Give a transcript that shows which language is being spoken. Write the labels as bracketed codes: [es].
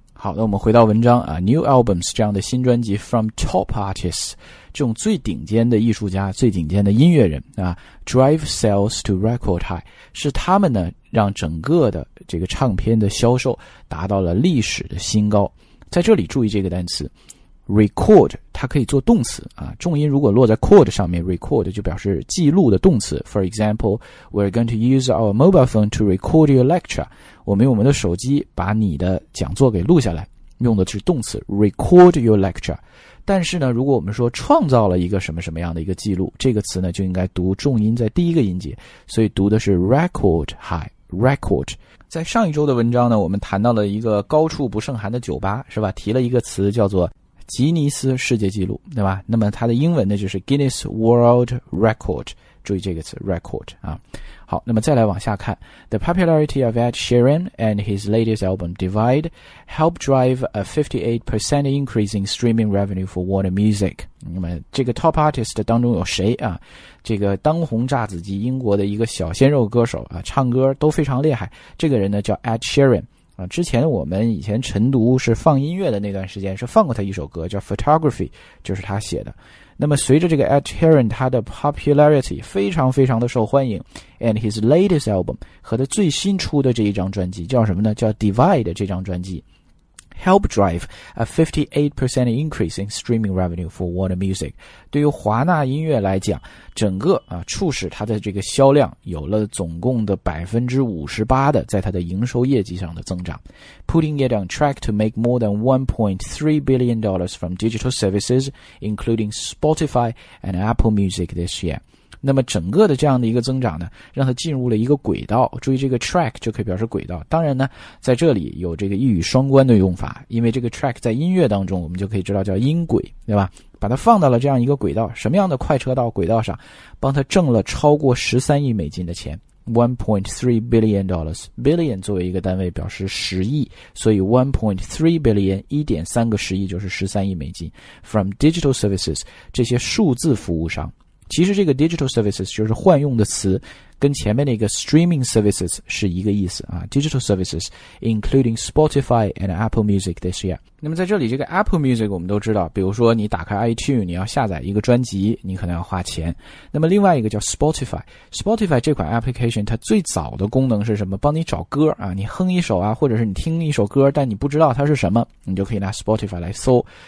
[zh] 好，那我们回到文章啊， New Albums 这样的新专辑 From Top Artists, 这种最顶尖的艺术家，最顶尖的音乐人啊， [en] Drive Sales to Record High, [zh] 是他们呢让整个的这个唱片的销售达到了历史的新高。在这里注意这个单词Record, 它可以做动词啊，重音如果落在 chord 上面， record 就表示记录的动词。 [en] For example, we're going to use our mobile phone to record your lecture. [zh] 我们用我们的手机把你的讲座给录下来，用的是动词 record your lecture。但是呢，如果我们说创造了一个什么什么样的一个记录，这个词呢就应该读重音在第一个音节，所以读的是 record high。 Record, 在上一周的文章呢，我们谈到了一个高处不胜寒的酒吧，是吧？提了一个词叫做吉尼斯世界纪录，对吧？那么它的英文呢就是 Guinness World Record, 注意这个词 record 啊。好，那么再来往下看， [en] The popularity of Ed Sheeran and his latest album Divide helped drive a 58% increase in streaming revenue for Warner Music. [zh] 那么这个 top artist 当中有谁啊？这个当红炸子鸡英国的一个小鲜肉歌手啊，唱歌都非常厉害，这个人呢叫 Ed Sheeran啊，之前我们以前晨读是放音乐的那段时间是放过他一首歌叫 Photography, 就是他写的。那么随着这个 Ed Sheeran 他的 popularity 非常非常的受欢迎， [en] and his latest album [zh] 和他最新出的这一张专辑叫什么呢？ [en] 叫 Divide, [zh] 这张专辑 [en] help drive a 58% increase in streaming revenue for Warner Music, [zh] 对于华纳音乐来讲，整个啊促使它的这个销量有了总共的 58% 的在它的营收业绩上的增长， [en] putting it on track to make more than $1.3 billion from digital services including Spotify and Apple Music this year. [zh] 那么整个的这样的一个增长呢，让它进入了一个轨道，注意这个 track 就可以表示轨道，当然呢在这里有这个一语双关的用法，因为这个 track 在音乐当中我们就可以知道叫音轨，对吧？把它放到了这样一个轨道，什么样的快车道轨道上，帮它挣了超过13亿美金的钱 ,$1.3 billion, billion 作为一个单位表示10亿，所以 $1.3 billion, 1.3 个10亿就是13亿美金 ,from digital services, 这些数字服务商。其实这个 digital services 就是换用的词，跟前面那个 streaming services 是一个意思啊。 [en] digital services including Spotify and Apple Music this year. [zh] 那么在这里这个 Apple Music 我们都知道，比如说你打开 iTunes 你要下载一个专辑你可能要花钱，那么另外一个叫 Spotify， Spotify 这款 application 它最早的功能是什么？帮你找歌啊，你哼一首啊，或者是你听一首歌但你不知道它是什么，你就可以拿 Spotify 来搜。